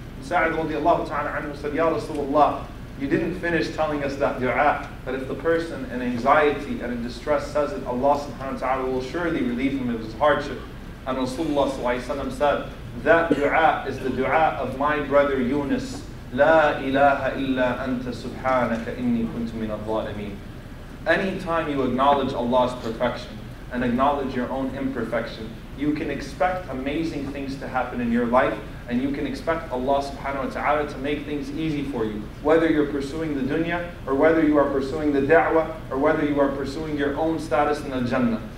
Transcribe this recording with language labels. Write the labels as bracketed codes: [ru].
[en] Sa'd radiallahu ta'ala anhu said, ya Rasulullah, you didn't finish telling us that du'a, that if the person in anxiety and in distress says it, Allah subhanahu wa ta'ala will surely relieve him of his hardship. And Rasulullah ﷺ said, that du'a is the du'a of my brother Yunus. [ar] لا إله إلا أنت سبحانك إني كنت من الظالمين. [en] Anytime you acknowledge Allah's perfection and acknowledge your own imperfection, you can expect amazing things to happen in your life, and you can expect Allah subhanahu wa ta'ala to make things easy for you, whether you're pursuing the dunya or whether you are pursuing the da'wah or whether you are pursuing your own status in al-jannah.